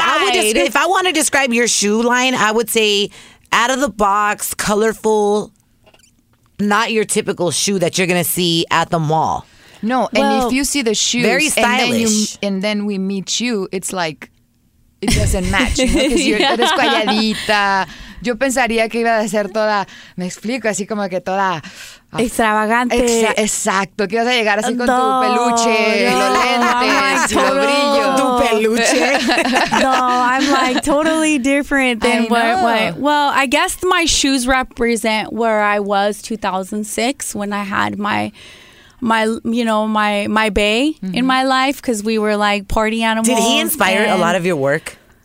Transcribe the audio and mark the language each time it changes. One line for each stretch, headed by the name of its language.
English: I would just, if I want to describe your shoe line, I would say out of the box, colorful, not your typical shoe that you're going to see at the mall. No, well, and if you see the shoes, very stylish. And then we meet you, it's like, it doesn't match. Because you're
Spanish: eres calladita. Yo pensaría que iba a ser toda, me explico, así como que toda... extravagante. Exacto, que ibas a llegar así con no, tu peluche, no, los lentes, no, like, total, el brillo. Tu peluche.
English: No, I'm like totally different than what. Well, I guess my shoes represent where I was 2006 when I had my bae mm-hmm. in my life, because we were like party animals. Did he inspire a lot of your work?